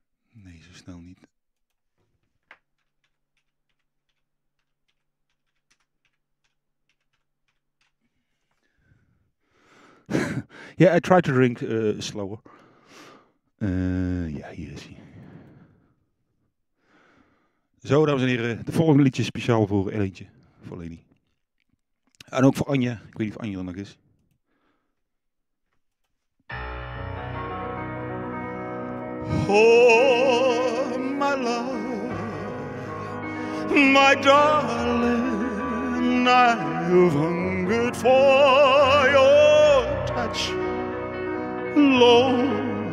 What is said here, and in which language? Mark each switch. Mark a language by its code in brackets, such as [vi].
[nl] Nee, zo snel niet. [en] Yeah, I try to drink slower. [nl] Ja, hier is hij. Zo, dames en heren, de volgende liedje is speciaal voor Elentje, voor Leni. En ook voor Anja, ik weet niet of Anja er nog is. [en] Oh, my love, my darling, I've hungered for your touch, Lord.